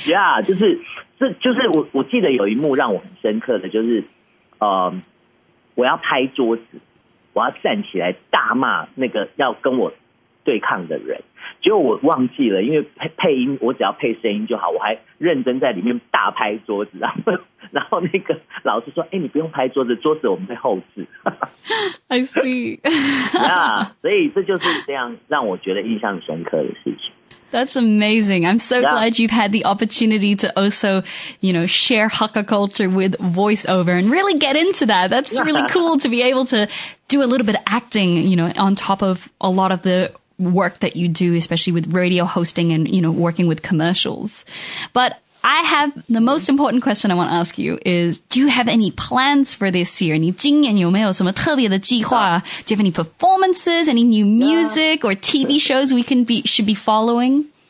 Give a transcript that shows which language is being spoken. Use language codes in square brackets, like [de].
[zh] yeah， 就是我记得有一幕让我很深刻的就是我要拍桌子，我要站起来大骂那个要跟我对抗的人，结果我忘记了，因为配音我只要配声音就好，我还认真在里面大拍桌子，然后那个老师说哎，你不用拍桌子，桌子我们会后置 [en] I see 、 [zh] yeah, 所以这就是这样让我觉得印象深刻的事情。 [en] That's amazing. I'm so glad you've had the opportunity to also, you know, share Hakka culture with voiceover and really get into that. That's really cool to be able to do a little bit of acting, you know, on top of a lot of the work that you do, especially with radio hosting and, you know, working with commercials. But I have the most important question I want to ask you is, do you have any plans for this year? [zh] 你今年有没有什么特别的计划？ [en] Do you have any performances, any new music or TV shows we should be following?